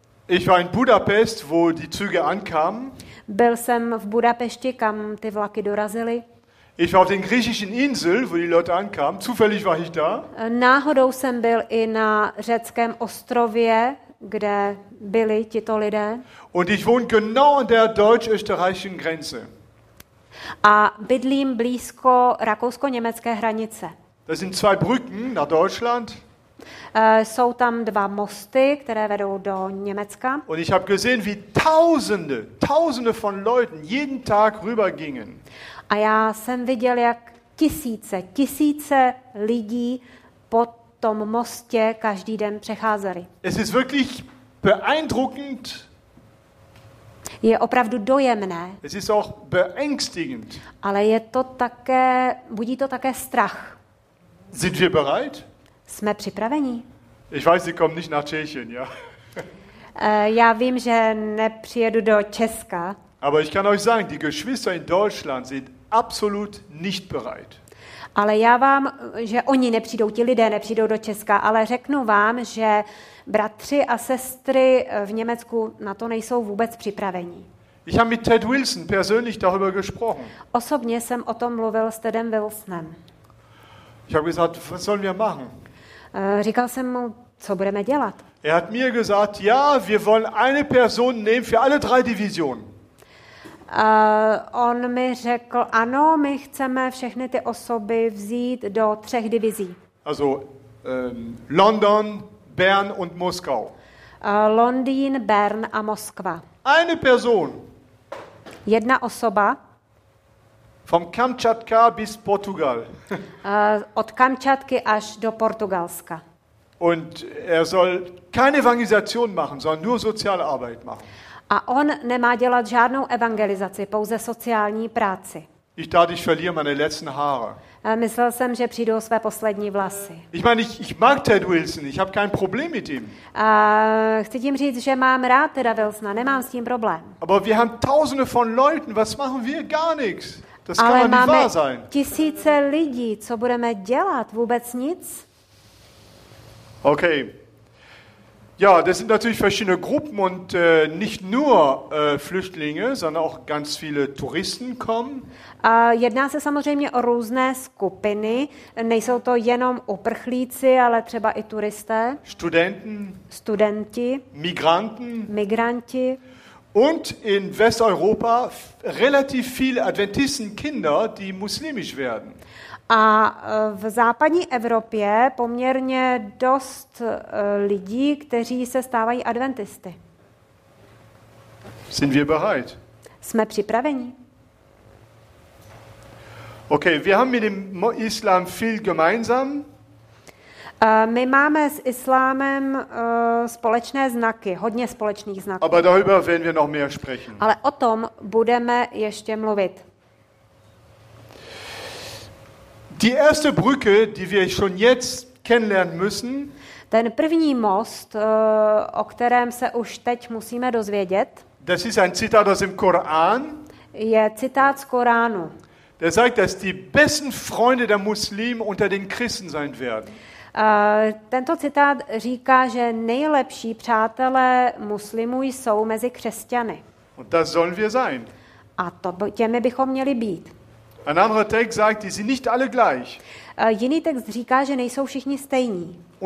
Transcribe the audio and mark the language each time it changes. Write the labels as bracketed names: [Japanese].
[German] Ich war in Budapest, wo die Züge ankamen. [Czech] Byl jsem v Budapešti, kam ty vlaky dorazily. [German] Ich war auf den griechischen Inseln, wo die Leute ankamen. Zufällig war ich da. [Czech] Náhodou jsem byl i na řeckém ostrově, kde byli tito lidé. [German] Und ich wohne genau an der deutsch-österreichischen Grenze. [Czech] A bydlím blízko rakousko-německé hranice. [German] Das sind zwei Brücken nach Deutschland. [Czech] Jsou tam dva mosty, které vedou do Německa. [German] Und ich habe gesehen, wie tausende von Leuten jeden Tag rübergingen. [Czech] A já jsem viděl, jak tisíce lidí po tom mostě každý den přecházeli. [German] Es ist wirklich beeindruckend. [Czech] Je opravdu dojemné. [German] Es ist auch beängstigend. [Czech] Ale je to také, budí to také strach. [German] Sind wir bereit? [Czech] Jsme připraveni? [German] Ich weiß, sie kommen nicht nach Tschechien, ja. [Czech] Já vím, že nepřijedu do Česka. [German] Aber ich kann euch sagen, die Geschwister in Deutschland sind absolut nicht bereit. [Czech] Ale já vám, že oni nepřijdou, ti lidé nepřijdou do Česka, ale řeknu vám, že bratři a sestry v Německu na to nejsou vůbec připraveni. [German] Ich habe mit Ted Wilson persönlich darüber gesprochen. [Czech] Osobně jsem o tom mluvil s Tedem Wilsonem. [German] Ich habe gesagt, was sollen wir machen? [Czech] Říkal jsem mu, co budeme dělat. [German] Er hat mir gesagt, ja, wir wollen eine Person nehmen für alle drei Divisionen. [Czech] On mi řekl, ano, my chceme všechny ty osoby vzít do třech divizí. [German] Also London, Bern und Moskau. [Czech] Londýn, Bern a Moskva. [German] Eine Person. [Czech] Jedna osoba. [German] Vom Kamčatka bis Portugal. [Czech] Od Kamčatky až do Portugalska. [German] Und er soll keine Evangelisation machen, sondern nur Sozialarbeit machen. [Czech] A on nemá dělat žádnou evangelizaci, pouze sociální práci. [German] Ich dachte, ich verliere meine letzten Haare. [Czech] Myslel jsem, že přijdu o své poslední vlasy. [German] Ich meine, ich mag Ted Wilson, ich habe kein Problem mit ihm. [Czech] Chci tím říct, že mám rád Teda Wilsona, nemám s tím problém. [German] Aber wir haben tausende von Leuten, was machen wir? Gar nichts. Das [Czech] Ale [German] kann [Czech] máme [German] nicht wahr sein. [Czech] Tisíce lidí, co budeme dělat? Vůbec nic? Okay. [German] Ja, das sind natürlich verschiedene Gruppen und nicht nur Flüchtlinge, sondern auch ganz viele Touristen kommen. [Czech] Jedná se samozřejmě o různé skupiny, nejsou to jenom uprchlíci, ale třeba i turisté. Studenti. Migranti. [German] Und in Westeuropa relativ viele Adventistenkinder, die muslimisch werden. [Czech] A v západní Evropě poměrně dost lidí, kteří se stávají adventisty. [German] Sind wir bereit? [Czech] Jsme připraveni. [German] Okay, wir haben mit dem Islam viel gemeinsam. [Czech] My máme s islámem společné znaky, hodně společných znaků. [German] Aber darüber werden wir noch mehr sprechen. [Czech] Ale o tom budeme ještě mluvit. [German] Die erste Brücke, die wir schon jetzt kennenlernen müssen. [Czech] Ten první most, o kterém se už teď musíme dozvědět. [German] Das ist ein Zitat aus dem Koran. [Czech] Je citát z Koránu. [German] Der sagt, dass die besten Freunde der Muslime unter den Christen sein werden. [Czech] Tento citát říká, že nejlepší přátelé muslimů jsou mezi křesťany. [German] Und das sollen wir sein. [Czech] A to těmi bychom měli být. [German] Ein anderer Text sagt, die sind nicht alle gleich. [Czech] Jiný text říká, že nejsou všichni stejní.